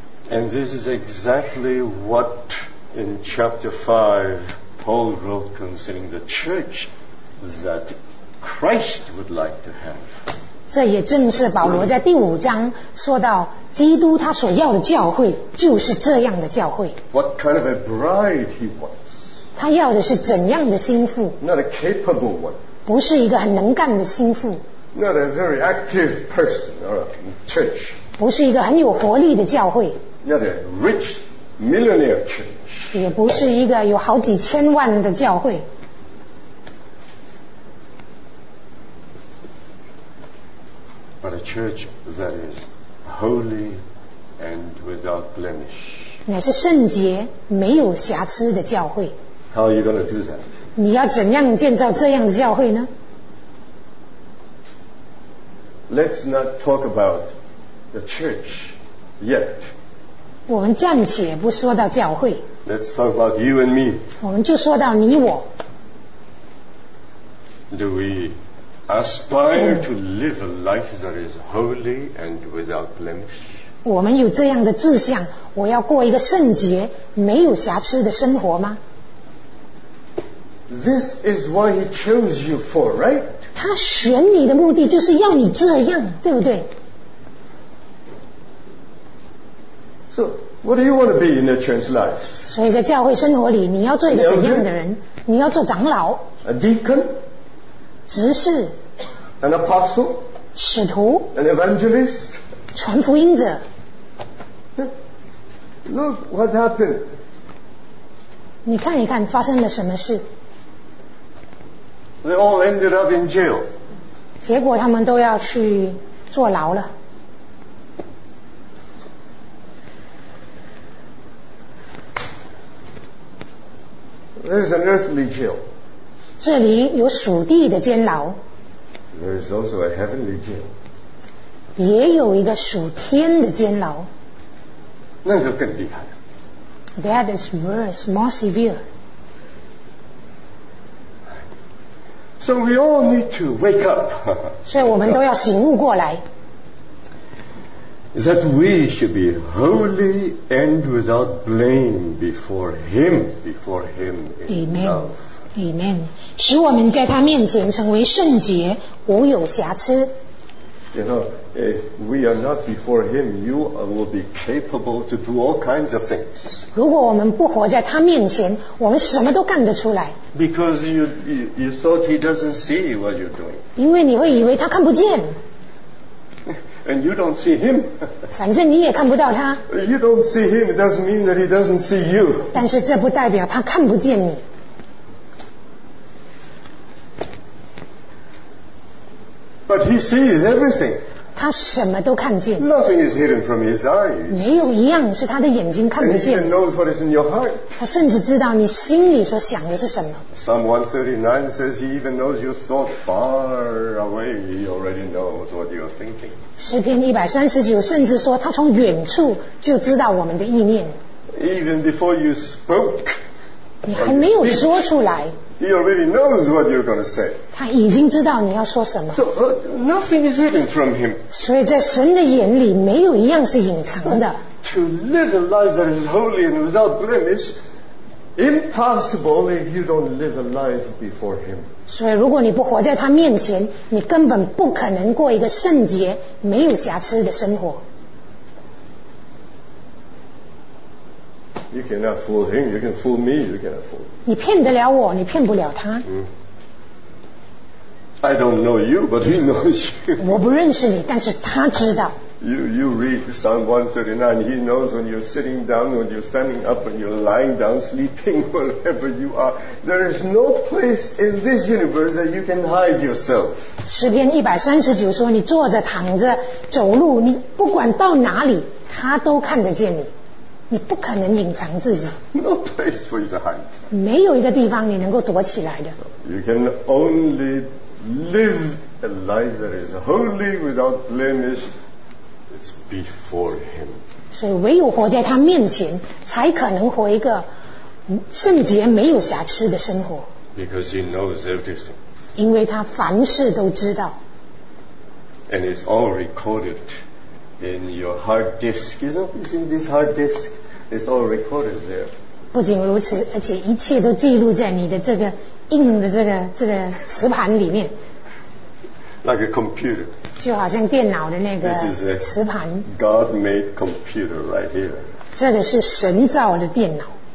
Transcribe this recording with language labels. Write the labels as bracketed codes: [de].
[en] And this is exactly what in chapter 5 Paul wrote concerning the church that Christ would like to have. [zh] 这也正是保罗在第五章说到基督他所要的教会就是这样的教会。 [en] What kind of a bride he wants. [zh] 他要的是怎样的心腹？ [en] Not a capable one. [zh] 不是一个很能干的心腹。 [en] Not a very active person or a church. [zh] 不是一个很有活力的教会。 [en] Not a rich millionaire church. [zh] 也不是一个有好几千万的教会。 [en] But a church that is holy and without blemish. [zh] 乃是圣洁没有瑕疵的教会。 [en] How are you going to do that? [zh] 你要怎样建造这样的教会呢？ [en] Let's not talk about the church yet. [zh] 我们暂且不说到教会。 [en] Let's talk about you and me. [zh] 我们就说到你我。 [en] Do we aspire to live a life that is holy and without blemish? [zh] 我们有这样的志向，我要过一个圣洁、没有瑕疵的生活吗？ [en] This is what he chose you for, right? [zh] 他选你的目的就是要你这样，对不对？ [en] So, what do you want to be in the church life? [zh] 所以在教会生活里，你要做一个怎样的人？你要做长老。 [en] A deacon. [zh] 执事。 [en] An apostle. [zh] 使徒。 [en] An evangelist. [zh] 传福音者。 [en] Look what happened. [zh] 你看一看发生了什么事。 [en] They all ended up in jail. [zh] 结果他们都要去坐牢了。 [en] There's an earthly jail. [zh] 这里有属地的监牢。 [en] There is also a heavenly jail. [zh] 也有一个属天的监牢。那个更厉害。 [en] That is worse, more severe. So we all need to wake up. [zh] 所以我们都要醒悟过来。 [en] That we should be holy and without blame before him in Amen. love. Amen. [zh] 使我们在他面前成为圣洁，无有瑕疵。 [en] You know, if we are not before him, you will be capable to do all kinds of things. [zh] 如果我们不活在他面前，我们什么都干得出来。 [en] Because you thought he doesn't see what you're doing. [zh] 因为你会以为他看不见。 [en] And you don't see him. [zh] 反正你也看不到他。 [en] You don't see him, it doesn't mean that he doesn't see you. [zh] 但是这不代表他看不见你。 [en] But he sees everything. [zh] 他什么都看见。 [en] Nothing is hidden from his eyes. [zh] 没有一样是他的眼睛看不见。 [en] And he knows what is in your heart. [zh] 他甚至知道你心里所想的是什么。 [en] Psalm 139 says he even knows your thought far away. He already knows what you're thinking. [zh] 诗篇139甚至说他从远处就知道我们的意念。 [en] Even before you spoke, [zh] 你还没有说出来。 [en] He already knows what you're going to say. [zh] 他已经知道你要说什么。 [en] So, nothing is hidden from him. [zh] 所以在神的眼里没有一样是隐藏的。 [en] But to live a life that is holy and without blemish, impossible if you don't live a life before him. [zh] 所以如果你不活在他面前，你根本不可能过一个圣洁没有瑕疵的生活。 [en] You cannot fool him, you can fool me, you cannot fool him. [zh] 你骗得了我，你骗不了他。 [en] I don't know you, but he knows you. [zh] 我不认识你，但是他知道。 [en] You read Psalm 139, he knows when you're sitting down, when you're standing up, when you're lying down, sleeping, wherever you are. There is no place in this universe that you can hide yourself. [zh] 诗篇139说，你坐着、躺着、走路，你不管到哪里，他都看得见你。你不可能隐藏自己。 [en] No place for you to hide. [zh] 没有一个地方你能够躲起来的。 [en] You can only... Live a life that is holy without blemish. It's before Him. [zh] 所以唯有活在他面前，才可能活一个圣洁没有瑕疵的生活。 [en] Because He knows everything. [zh] 因为他凡事都知道。 [en] And it's all recorded in your hard disk. It's in this hard disk. It's all recorded there. [zh] 不仅如此，而且一切都记录在你的这个。硬的这个磁盘里面 [en] ，like a computer， [zh] 就好像电脑的那个磁盘。 [en] God made computer right here。 [zh] 这个是神造的电脑。